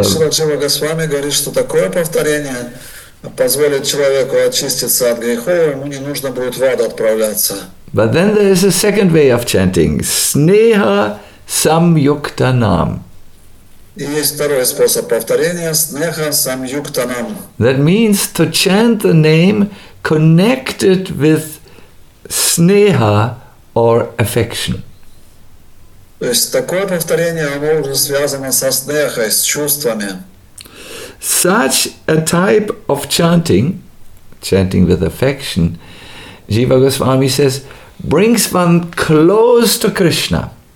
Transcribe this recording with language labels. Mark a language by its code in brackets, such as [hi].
[ru] Jiva Goswami говорит, что такое повторение позволит человеку очиститься от грехов, ему не нужно будет в ад отправляться. [en] But then there is a second way of chanting: Sneha Samyukta Nam. [ru] И есть второй способ повторения – Снеха Самьюктанам. [en] That means to chant the name connected with Sneha or affection. [ru] То есть такое повторение, оно уже связано со Снехой, с чувствами. [en] Such a type of chanting with affection, Jiva Goswami says, brings one close to Krishna.